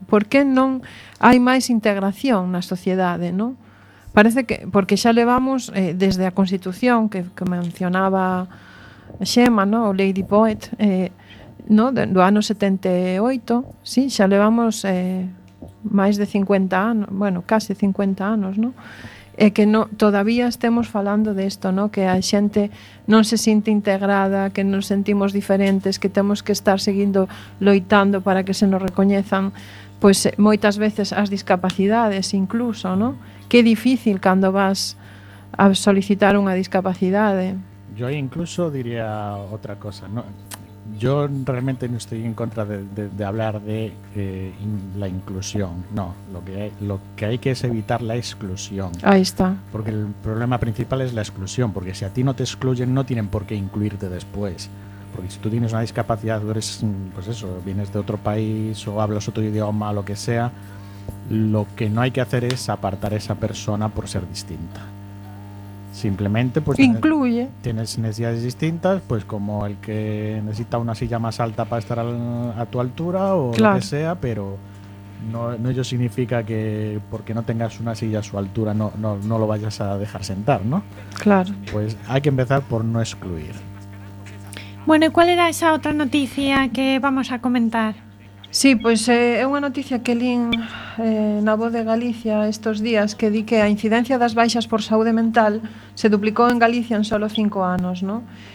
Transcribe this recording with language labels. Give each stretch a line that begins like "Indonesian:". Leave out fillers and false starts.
Galician: Por que non hai máis integración na sociedade, no? Parece que, porque xa levamos desde a Constitución que mencionaba xema, ¿no? O Lady Poet, ¿no? Do ano 78, sí, xa levamos máis de 50 anos, bueno, case 50 anos, ¿no? E que no, todavía estemos falando de isto, ¿no? Que a xente non se sinte integrada, que nos sentimos diferentes, que temos que estar seguindo loitando para que se nos recoñezan, pues, moitas veces as discapacidades incluso, ¿no? Que difícil cando vas a solicitar unha discapacidade.
Spanish: Yo incluso diría otra cosa, ¿no? Yo realmente no estoy en contra de hablar de la inclusión, no, lo que hay que es evitar la exclusión. Ahí está. Porque el problema principal es la exclusión, porque si a ti no te excluyen, no tienen por qué incluirte después. Porque si tú tienes una discapacidad, eres, pues eso, vienes de otro país o hablas otro idioma, lo que sea, lo que no hay que hacer es apartar a esa persona por ser distinta. Simplemente, pues, incluye. Tienes necesidades distintas, pues como el que necesita una silla más alta para estar a tu altura o claro, lo que sea, pero no ello significa que porque no tengas una silla a su altura no lo vayas a dejar sentar, ¿no? Claro. Pues hay que empezar por no excluir. Bueno, ¿y cuál era esa otra noticia que vamos a comentar?
Galician: Sí, pues é unha noticia que lin na Voz de Galicia estos días, que di que a incidencia das baixas por saúde mental se duplicou en Galicia en solo 5 anos, ¿no?